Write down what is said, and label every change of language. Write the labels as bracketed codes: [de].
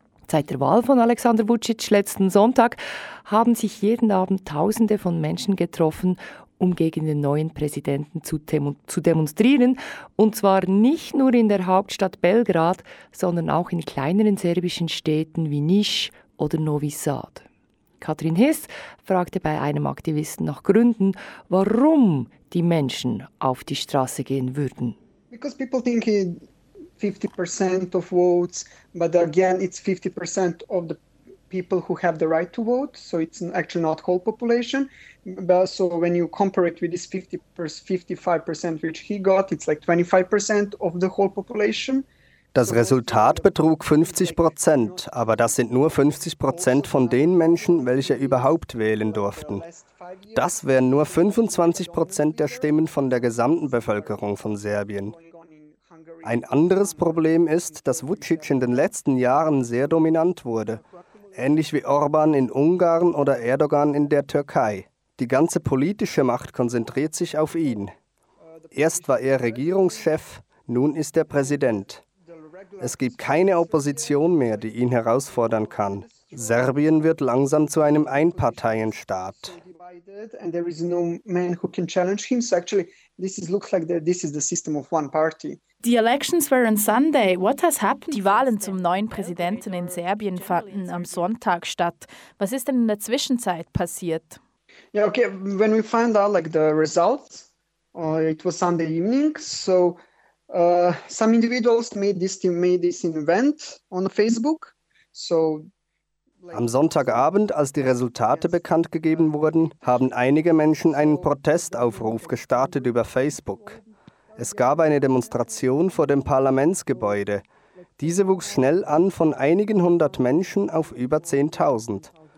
[de] Seit der Wahl von Aleksandar Vučić letzten Sonntag haben sich jeden Abend Tausende von Menschen getroffen, um gegen den neuen Präsidenten zu demonstrieren, und zwar nicht nur in der Hauptstadt Belgrad, sondern auch in kleineren serbischen Städten wie Niš oder Novi Sad. Katrin Hiss fragte bei einem Aktivisten nach Gründen, warum die Menschen auf die Straße gehen würden. [en] Because people think 50% of votes, but again it's 50% of the people who have the right to vote, so it's actually not whole population. But so when you compare it with this 55%, which he got, it's like 25% of the whole population. [de] Das Resultat betrug 50%, aber das sind nur 50% von den Menschen, welche überhaupt wählen durften. Das wären nur 25% der Stimmen von der gesamten Bevölkerung von Serbien. Ein anderes Problem ist, dass Vučić in den letzten Jahren sehr dominant wurde. Ähnlich wie Orban in Ungarn oder Erdogan in der Türkei. Die ganze politische Macht konzentriert sich auf ihn. Erst war er Regierungschef, nun ist er Präsident. Es gibt keine Opposition mehr, die ihn herausfordern kann. Serbien wird langsam zu einem Einparteienstaat. [en] And there is no man who can challenge him. So actually, this is the system of one party. The elections were on Sunday. What has happened? [de] Die Wahlen zum neuen Präsidenten in Serbien fanden am Sonntag statt. Was ist denn in der Zwischenzeit passiert? [en] Yeah, okay. When we find out like the results, it was Sunday evening. So some individuals made this event on Facebook. So. [de] Am Sonntagabend, als die Resultate bekannt gegeben wurden, haben einige Menschen einen Protestaufruf gestartet über Facebook. Es gab eine Demonstration vor dem Parlamentsgebäude. Diese wuchs schnell an von einigen hundert Menschen auf über 10.000.